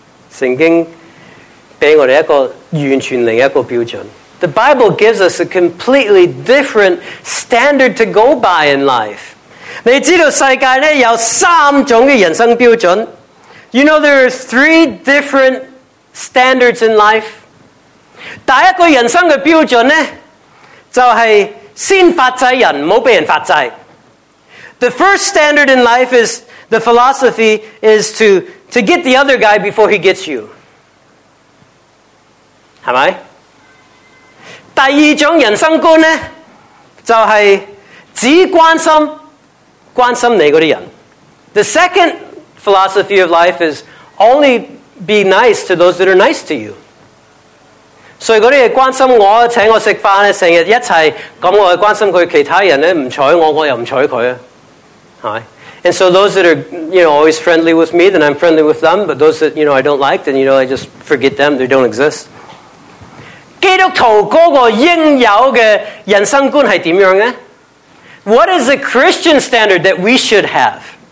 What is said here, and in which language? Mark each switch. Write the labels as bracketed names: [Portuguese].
[Chinese] 圣经给我们一个完全另一个标准。 [English] The Bible gives us a completely different standard to go by in life. [Chinese] 你知道世界有三种人生标准。 [English] You know there are three different standards in life. [Chinese] 第一个人生的标准呢， 就是先发制人，不要被人发制。 [English] The first standard in life is, the philosophy is to get the other guy before he gets you. [Chinese] 是吗？第二种人生观呢， 就是只关心你那些人。 [English] The second philosophy of life is only be nice to those that are nice to you. [Chinese] 所以那些关心我，请我吃饭，成日一起，那我关心他，其他人呢，不睬我，我又不睬他，是吧？ [English] And so those that are, you know, always friendly with me, then I'm friendly with them. But those that, you know, I don't like, then, you know, I just forget them. They don't exist. [Chinese] 基督徒那个应有的人生观是怎样呢？ [English] What is the Christian standard that we should have?